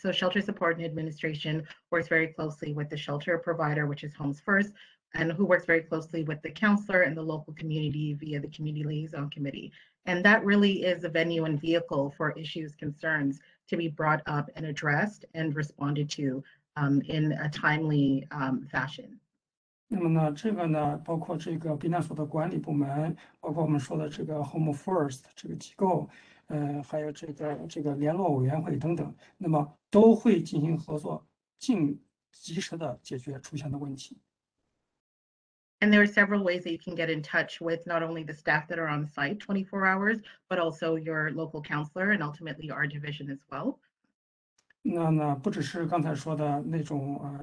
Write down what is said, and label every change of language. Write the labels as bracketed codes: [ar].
[en] So shelter support and administration works very closely with the shelter provider, which is Homes First, and who works very closely with the counselor and the local community via the community liaison committee. And that really is a venue and vehicle for issues, concerns to be brought up and addressed and responded to in a timely fashion. [zh] 那么呢，这个呢，包括这个避难所的管理部门，包括我们说的这个 Home First 这个机构，还有这个联络委员会等等，那么都会进行合作，尽及时的解决出现的问题。 [en] And there are several ways that you can get in touch with not only the staff that are on site 24 hours, but also your local counselor and ultimately our division as well. [zh] 那呢，不只是刚才说的那种。